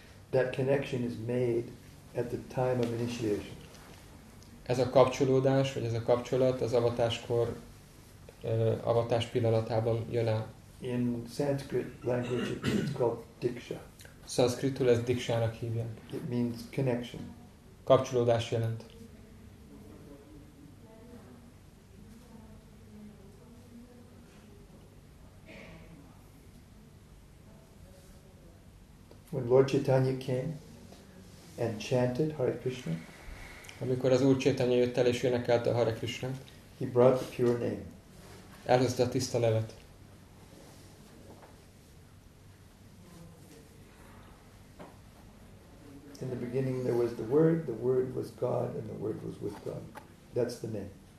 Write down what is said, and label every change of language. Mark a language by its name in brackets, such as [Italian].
[English] That connection is made at the time of initiation. [Hungarian] Ez a kapcsolódás, vagy ez a kapcsolat az avatáskor, avatás pillanatában jön el. [English] In Sanskrit language it's called diksha. [Hungarian] Sanskritul ezt diksának hívják. [English] It means connection. [Hungarian] Kapcsolódás jelent. [English] When Lord Chaitanya came and chanted Hare Krishna, [Hungarian] amikor az Úr Chaitanya jött el és énekelte Hare Krishnát, [English] he brought the pure name. [Hungarian] Elhozta a tiszta nevet. [English] And In the beginning there was the Word was God, and the Word was with God. That's the name.